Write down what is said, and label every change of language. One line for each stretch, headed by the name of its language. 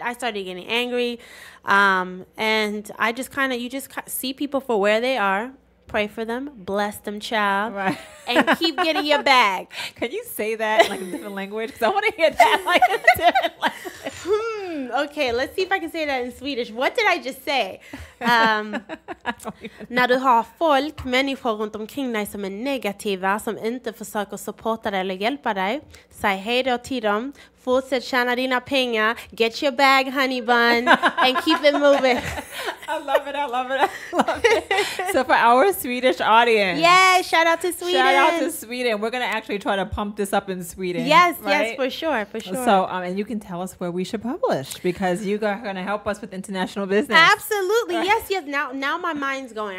English: I started getting angry. And I just kind of, you just see people for where they are. Pray for them, bless them, child, right. and keep getting your bag. Can you say that in like a different language? Because I want to hear that like a different language. Hmm. Okay, let's see if I can say that in Swedish. What did I just say?
Swedish: När du har folk, människor runt omkring dig som är negativa, som inte försöker supporta dig eller hjälpa dig, säg hej då till dem, fortsätt tjäna dina pengar,
English: get your bag, honey bun, and keep it moving. I love it. So for our Swedish audience. Yeah, shout out to Sweden. Shout out to Sweden. We're going to actually try to pump this up in Sweden. Yes, right? Yes, for sure. So, and you can tell us where we should publish, because you are going to help us with international business. Absolutely. Right. Yes. Now my mind's going.